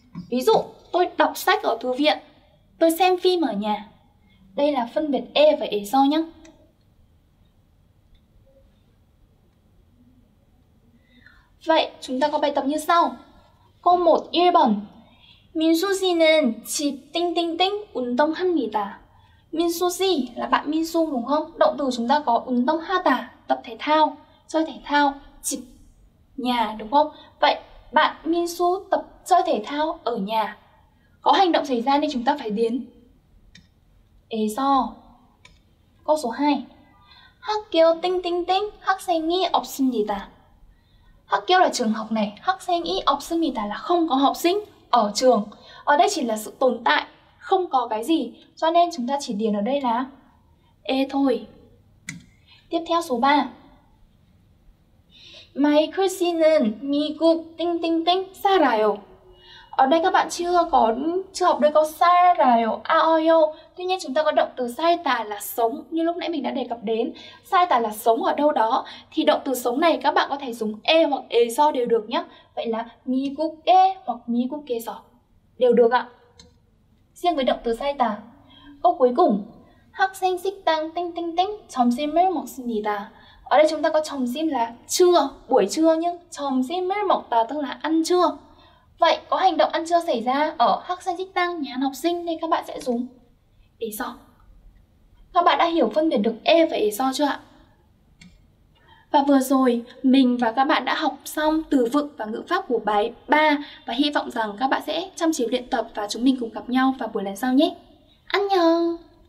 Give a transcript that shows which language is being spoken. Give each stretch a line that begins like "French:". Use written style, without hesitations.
Vietnamese: Ví dụ, tôi đọc sách ở thư viện, tôi xem phim ở nhà. Đây là phân biệt e và eso nhé. Vậy, chúng ta có bài tập như sau. Câu 1, 1번.
Korean: 민수 씨는 집 띵띵띵 운동합니다.
Vietnamese: 민수 씨 là bạn Minsu đúng không? Động từ chúng ta có 운동하다, tập thể thao, chơi thể thao, 집, nhà đúng không? Vậy, bạn Minsu tập chơi thể thao ở nhà. Có hành động xảy ra nên chúng ta phải điền 에서. Câu số 2.
Korean: 학교 띵띵띵 학생이 없습니다.
Vietnamese: 학교 là trường học này, 학생이 없습니다 là không có học sinh ở trường. Ở đây chỉ là sự tồn tại, không có cái gì, cho nên chúng ta chỉ điền ở đây là e thôi. Tiếp theo số 3.
Korean: 마이클 씨는 미국 띵띵띵 살아요.
Vietnamese: Ở đây các bạn chưa học được câu 살아요, 아요. Tuy nhiên chúng ta có động từ 살다 là sống, như lúc nãy mình đã đề cập đến. 살다 là sống ở đâu đó. Thì động từ sống này các bạn có thể dùng e hoặc eso đều được nhé. Vậy là 미국에 hoặc 미국에서 đều được ạ. Riêng với động từ 살다.
Korean: Câu cuối cùng, 학생 식당 띵띵띵 점심을 먹습니다.
Vietnamese: Ở đây chúng ta có 점심 là trưa, buổi trưa, nhưng 점심을 먹다 tức là ăn trưa. Vậy có hành động ăn trưa xảy ra ở 학생 식당, nhà ăn học sinh, nên các bạn sẽ dùng eso. Các bạn đã hiểu phân biệt được e và eso chưa ạ? Và vừa rồi mình và các bạn đã học xong từ vựng và ngữ pháp của bài 3 và hy vọng rằng các bạn sẽ chăm chỉ luyện tập và chúng mình cùng gặp nhau vào buổi lần sau nhé. 안녕.